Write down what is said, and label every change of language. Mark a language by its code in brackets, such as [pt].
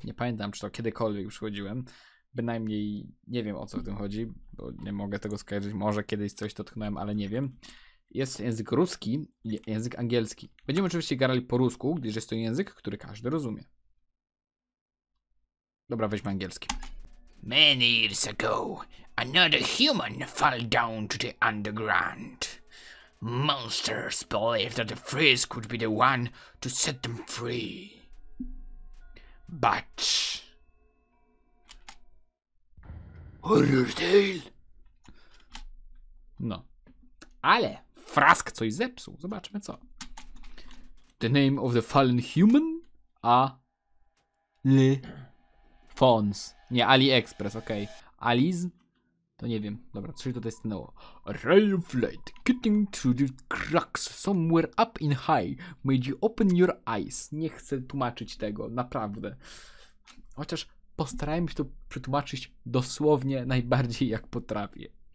[pl] Nie pamiętam, czy to kiedykolwiek przychodziłem. Bynajmniej nie wiem, o co w tym chodzi, bo nie mogę tego skojarzyć. Może kiedyś coś dotknąłem, ale nie wiem. Jest język ruski i język angielski. Będziemy oczywiście grali po rusku, gdyż jest to język, który każdy rozumie. Dobra, weźmy angielski. [en] Many years ago, another human fell down to the underground. Monsters believed that the freeze could be the one to set them free. But... [pl] Horror Tale! No. Ale Frask coś zepsuł. Zobaczmy co. [en] The name of the fallen human? [pl] A... Le... Fons. Nie, AliExpress, okej. Okay. Aliz? To nie wiem. Dobra, coś tutaj stanęło. [en] A ray of light getting through the cracks somewhere up in high made you open your eyes. [pl] Nie chcę tłumaczyć tego, naprawdę. Chociaż postarałem się to przetłumaczyć dosłownie najbardziej jak potrafię.